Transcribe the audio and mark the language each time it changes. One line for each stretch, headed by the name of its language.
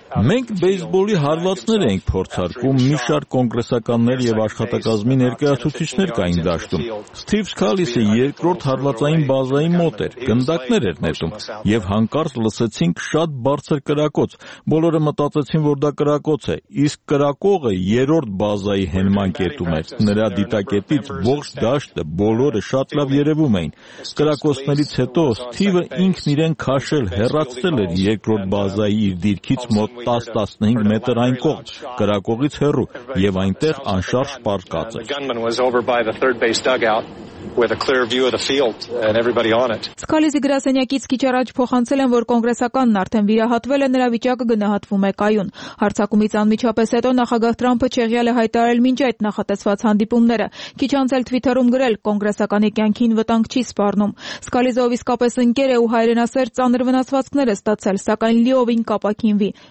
Armenian: Մենք բեյսբոլի հարվածներ ենք փորձարկում, մի շարք կոնգրեսականներ եւ աշխատակազմի ներկայացուցիչներ կային դաշտում։ Սթիվ Սքալիզը երկրորդ հարվածային բազայի մոտ էր, գնդակներ էր նետում եւ Անկարծ լսեցինք շատ բարձր կրակոց, բոլորը մտածեցին, որ դա կրակոց է, իսկ կրակողը երրորդ բազայի հենման կետում էր, նրա դիտակետից ողջ դաշտը բոլորը շատ լավ երևում էին, կրակոցներից հետո Սթիվը ինքն իրեն քաշել, հեռացել էր երկրորդ բազայի իր դիրքից մոտ 10-15 մետր այն կողմ, կրակողից հեռու, և այնտեղ անշարժ պառկած էր։
English: With a clear view of the field and everybody on it.
Armenian: Սքալիզի գրասենյակից քիչ առաջ փոխանցել են, որ կոնգրեսականն արդեն վիրահատվել է, նրա վիճակը գնահատվում է կայուն։ Հարցակումից անմիջապես հետո նախագահ Թրամփը չեղյալ է հայտարարել մինչ այդ նախատեսված հանդիպումները։ Քիչ անց էլ Twitter-ում գրել՝ կոնգրեսականի կյանքին վտանգ չի սպառնում։ Սքալիզը ով իսկապես ընկեր է ու հայրենասեր ծանր վնասվածքներ է ստացել, սակայն լիովին կապակինվի։